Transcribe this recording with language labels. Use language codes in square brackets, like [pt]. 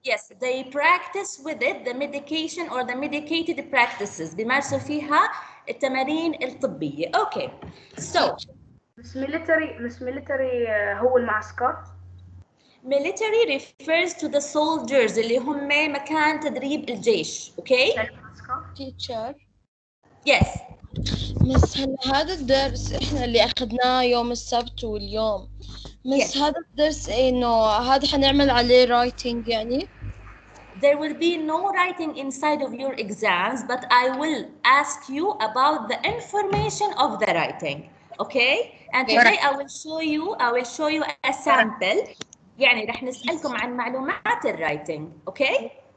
[en] Yes, they practice with it, the medication or the medicated practices. [ar] بيمارسوا فيها التمارين الطبية. [en] Okay, so. [ar] Miss Military هو المعسكر. [en] Military refers to the soldiers [ar] اللي هم مكان تدريب الجيش. [en] Okay. Teacher. Yes. [ar] Miss, هذا الدرس إحنا اللي أخذناه يوم السبت واليوم. Miss, هذا الدرس إنه هذا حنعمل عليه writing يعني. [en] There will be no writing inside of your exams, but I will ask you about the information of the writing, okay? And today I will show you a sample. [ar] يعني رح نسألكم عن معلومات الرايتنج, okay?